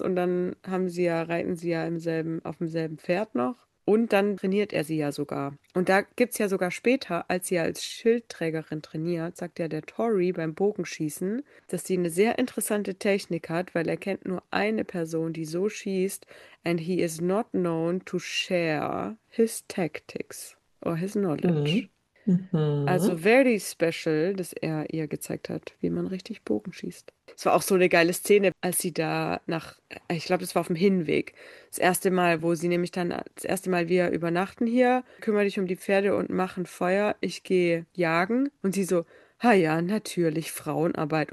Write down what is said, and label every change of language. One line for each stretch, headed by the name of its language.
German: Und dann haben sie ja, reiten sie ja im selben, auf demselben Pferd noch. Und dann trainiert er sie ja sogar. Und da gibt es ja sogar später, als sie als Schildträgerin trainiert, sagt ja der Tori beim Bogenschießen, dass sie eine sehr interessante Technik hat, weil er kennt nur eine Person, die so schießt.
English: And he is not known to share his tactics. Or his knowledge.
German: Also
English: very special,
German: dass er ihr gezeigt hat, wie man richtig Bogen schießt. Es war auch so eine geile Szene, als sie da nach, ich glaube, das war auf dem Hinweg. Das erste Mal, wo sie nämlich dann, das erste Mal, wir übernachten hier, kümmere dich um die Pferde und machen Feuer. Ich gehe jagen. Und sie so, ha ja, natürlich, Frauenarbeit.